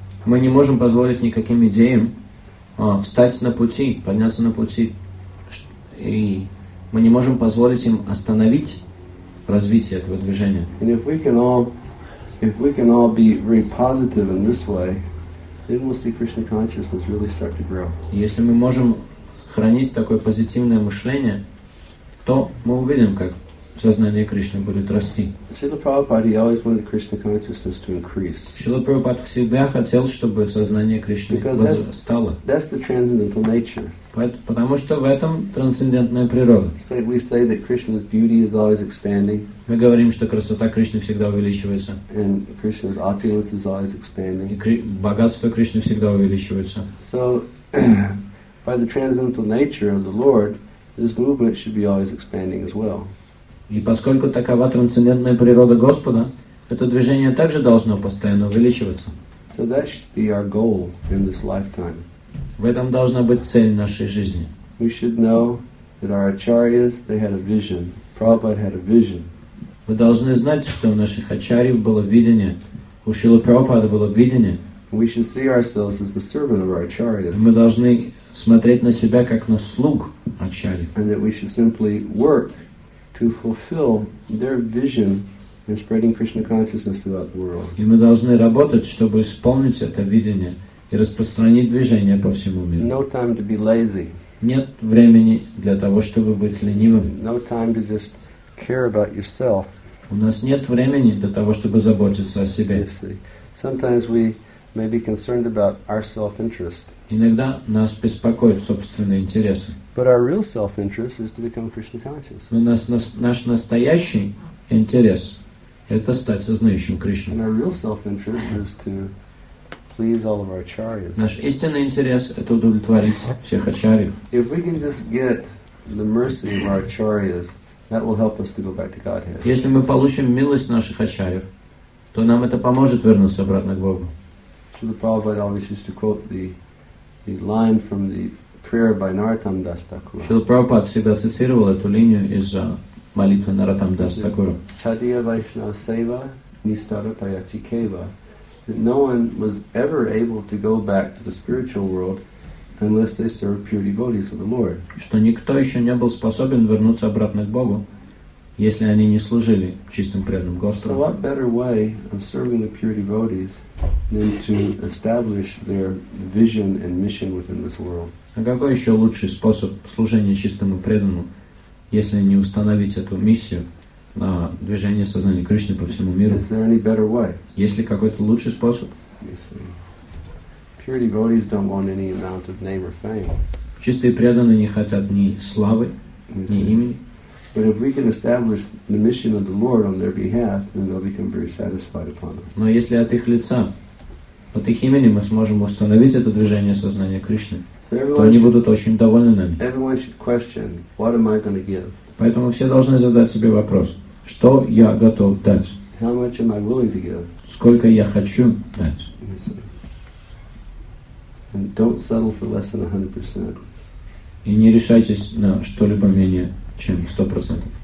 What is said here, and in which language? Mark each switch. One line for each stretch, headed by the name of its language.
Russian: Мы не можем позволить никаким идеям встать на пути, подняться на пути, и мы не можем позволить им остановить развитие этого движения.
English: And if we can all be very positive in this way, then we'll see Krishna consciousness really start to grow.
Russian: Если мы можем хранить такое позитивное мышление, то мы увидим, как сознание Кришны будет расти.
English: Srila Prabhupada, he always wanted Krishna consciousness to increase.
Russian: Srila Prabhupada всегда хотел, чтобы сознание Кришны возрастало.
English: That's the transcendental nature.
Russian: Потому что в этом трансцендентная природа.
English: So we say that Krishna's beauty is always expanding.
Russian: Мы говорим, что красота Кришны всегда увеличивается.
English: And Krishna's opulence is always expanding.
Russian: И богатство Кришны всегда увеличивается.
English: So by the transcendental nature of the Lord, this movement should be always expanding as well.
Russian: И поскольку такова трансцендентная природа Господа, это движение также должно постоянно увеличиваться.
English: So that should be our goal in this lifetime.
Russian: В этом должна быть цель нашей жизни.
English: We should know that our acharyas, they had a vision. Prabhupada had a vision.
Russian: Мы должны знать, что у наших ачарьев было видение, у Шрилы Прабхупады было видение.
English: We should see ourselves as the servant of our acharyas.
Russian: Мы должны смотреть на себя как на слуг ачарьев.
English: And that we should simply work to fulfill their vision in spreading Krishna consciousness throughout the world.
Russian: И мы должны работать, чтобы исполнить это видение и распространить движение по всему миру.
English: No time to be lazy.
Russian: Нет времени для того, чтобы быть ленивым.
English: No time to just care about yourself.
Russian: У нас нет времени для того, чтобы заботиться о себе.
English: Sometimes we may be concerned about our self-interest.
Russian: Иногда нас беспокоят собственные интересы.
English: But our real self-interest is to become Krishna conscious.
Russian: Но наш настоящий интерес – это стать сознающим Кришной.
English: And our real self-interest is to please all of our acharyas.
Russian: Наш истинный интерес – это удовлетворить всех ачарьев.
English: If we can just get the mercy of our acharyas, that will help us to go back to Godhead.
Russian: Если мы получим милость наших ачарьев, то нам это поможет вернуться обратно к Богу.
English: Srila Prabhupada always used to quote the line from the prayer by Narottam Das Thakur.
Russian: Srila Prabhupada всегда цитировал эту линию из молитвы Narottam Das Thakur.
Bangla: Chadiya Vaishnava Seva Nistarataya Chikeva.
English: That no one was ever able to go back to the spiritual world unless they served pure devotees of the Lord.
Russian: Что никто еще не был способен вернуться обратно к Богу, если они не служили чистым преданным Господу.
English: So what better way of serving the pure devotees than to establish their vision and mission within this world?
Russian: А какой еще лучший способ служения чистому преданному, если не установить эту миссию на движение сознания Кришны по всему миру?
English: Is there any better way?
Russian: Есть ли какой-то лучший способ?
English: Pure devotees don't want any amount of name or fame.
Russian: Чистые преданные не хотят ни славы, ни имени.
English: But if we can establish the mission of the Lord on their behalf, then they'll become very satisfied upon us.
Russian: Но если от их лица, от их имени мы сможем установить это движение сознания Кришны, то они будут очень довольны нами.
English: Everyone should question, what am I going to give?
Russian: Поэтому все должны задать себе вопрос, что я готов дать?
English: How much am I willing to give?
Russian: Сколько я хочу дать?
English: And don't settle for less than 100%.
Russian: И не решайтесь на что-либо менее чем 100%.